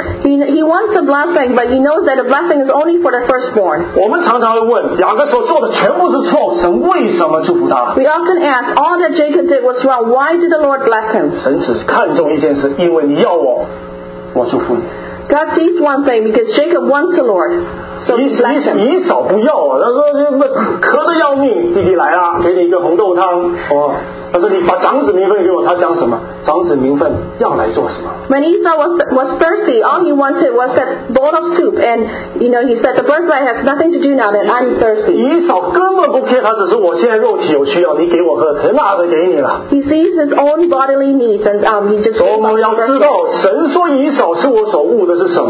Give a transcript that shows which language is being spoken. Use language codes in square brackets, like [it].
[en] He wants a blessing, but he knows that the blessing is only for the firstborn. [zh] 我们常常会问，雅各所做的全部是错，神为什么祝福他？ [en] We often ask, all that Jacob did was wrong. Why did the Lord bless him? [zh] 神只看重一件事，因为你要我，我祝福你。 [en] God sees one thing because Jacob wants the Lord, so he bless him. [zh] 以扫不要啊，他说渴得要命，弟弟来啊，给你一个红豆汤。哦，他说你把长子名分给我，他讲什么？长子名分要来做什么？ [en] When Esau was thirsty, all he wanted was that bowl of soup, and you know he said the birthright has nothing to do now, and I'm thirsty. [zh] 以扫根本不care，他只是我现在肉体有需要，你给我喝，那就给你了。 [en] He sees his own bodily needs, and he just. [zh] 所以我们要知道，神说以扫是我所恶的是。